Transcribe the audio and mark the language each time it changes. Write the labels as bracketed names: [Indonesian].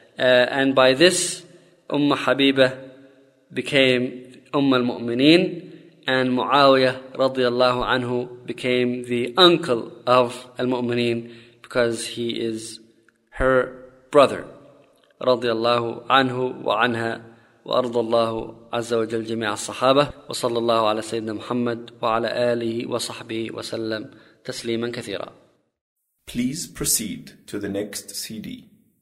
[English] And by this, Ummah Habiba became Ummah al-Mu'mineen. And Muawiyah radiallahu anhu became the uncle of al-Mu'mineen because he is her brother radiallahu anhu wa anha [Arabic] وأرضى الله عز وجل جميع الصحابة، وصلى الله على سيدنا محمد وعلى آله وصحبه وسلم تسليما كثيرا. [English] Please proceed to the next CD.